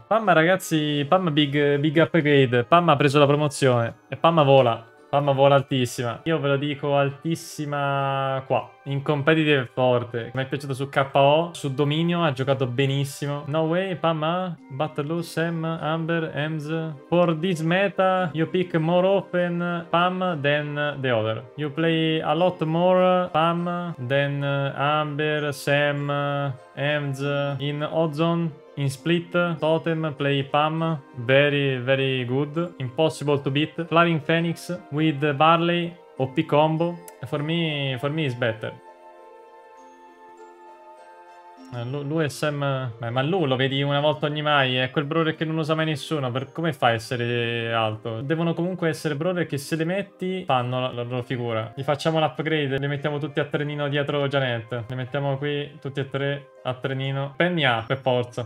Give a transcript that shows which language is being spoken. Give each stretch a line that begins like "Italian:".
Italian: Pam, ragazzi, Pam big upgrade. Pam ha preso la promozione. E Pam vola. Pam vola altissima. Io ve lo dico altissima qua. In competitive è forte. Mi è piaciuto su KO. Su Dominio ha giocato benissimo.
English: No way, Pam A. Battle Sam, Amber, Ems. For this meta, you pick more often Pam than the other. You play a lot more Pam than Amber, Sam, Ems. In Ozone. In split, totem, play Pam, very, very good, impossible to beat, flying phoenix, with Barley, OP combo, for me is better.
Italian: Lui è Sam. Beh, ma lui lo vedi una volta ogni mai. È quel brother che non usa mai nessuno. Come fa a essere alto? Devono comunque essere brother che se le metti fanno la loro figura. Gli facciamo l'upgrade. Le mettiamo tutti a trenino dietro Janet. Le mettiamo qui tutti e tre a trenino. Penny ha, per forza.